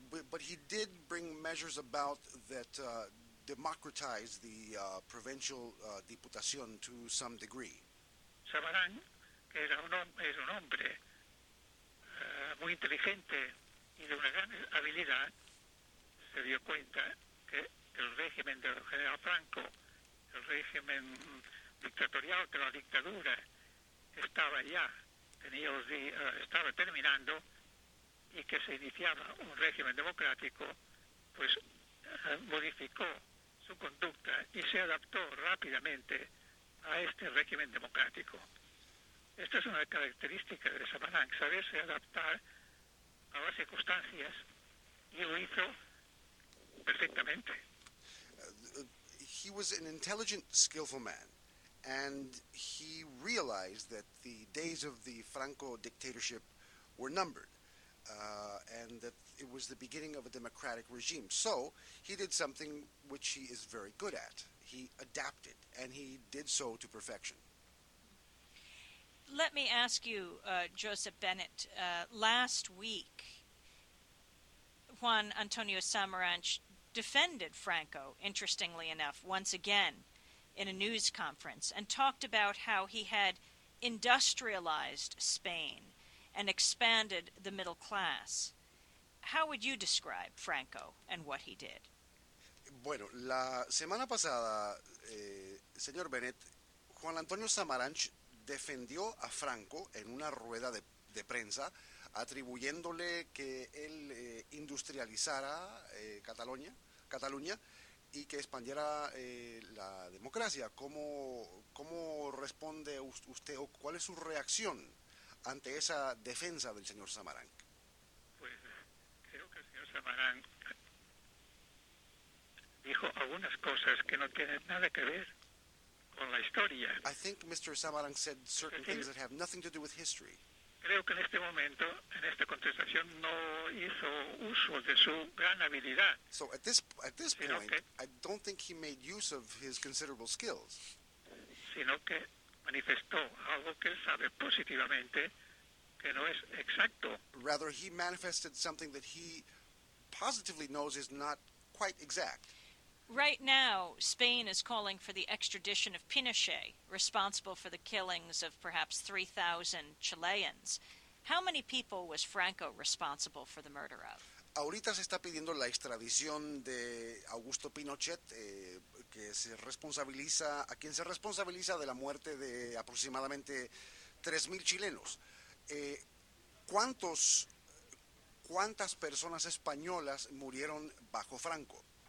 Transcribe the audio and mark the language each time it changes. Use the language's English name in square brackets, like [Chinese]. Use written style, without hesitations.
[English] But he did bring measures about that democratized the provincial Diputación to some degree. [Spanish] Samaranch, que era un hombre muy inteligente y de una gran habilidad, se dio cuenta que el régimen del general Franco, el régimen dictatorial, que la dictadura estaba ya, tenía los días, estaba terminando, y que se iniciaba un régimen democrático, pues modificó su conducta y se adaptó rápidamente a este régimen democrático. Esta es una característica de Samaranch, saberse adaptar a las circunstancias, y lo hizo perfectamente. [English] He was an intelligent, skillful man, and he realized that the days of the Franco dictatorship were numbered, and that it was the beginning of a democratic regime. So he did something which he is very good at. He adapted, and he did so to perfection. Let me ask you, Joseph Bennett, last week, Juan Antonio Samaranch defended Franco, interestingly enough, once again in a news conference, and talked about how he had industrialized Spain and expanded the middle class. How would you describe Franco and what he did? [Spanish] Bueno, la semana pasada, señor Bennett, Juan Antonio Samaranch defendió a Franco en una rueda de prensa, atribuyéndole que él industrializara Cataluña y que expandiera la democracia. ¿Cómo responde usted o cuál es su reacción ante esa defensa del señor Samaranch? Pues creo que el señor Samaranch dijo algunas cosas que no tienen nada que ver con la historia. [English] I think Mr. Samaranch said certain things that have nothing to do with history. [Spanish] Creo que en este momento, en esta contestación, no hizo uso de su gran habilidad. [English] So at this point, I don't think he made use of his considerable skills. [Spanish] Sino que manifestó algo que él sabe positivamente, que no es exacto. [English] Rather, he manifested something that he positively knows is not quite exact. Right now, Spain is calling for the extradition of Pinochet, responsible for the killings of perhaps 3,000 Chileans. How many people was Franco responsible for the murder of? [Spanish] Ahorita se está pidiendo la extradición de Augusto Pinochet, que se responsabiliza, a quien se responsabiliza de la muerte de aproximadamente 3,000 chilenos. ¿Cuántas personas españolas murieron bajo Franco?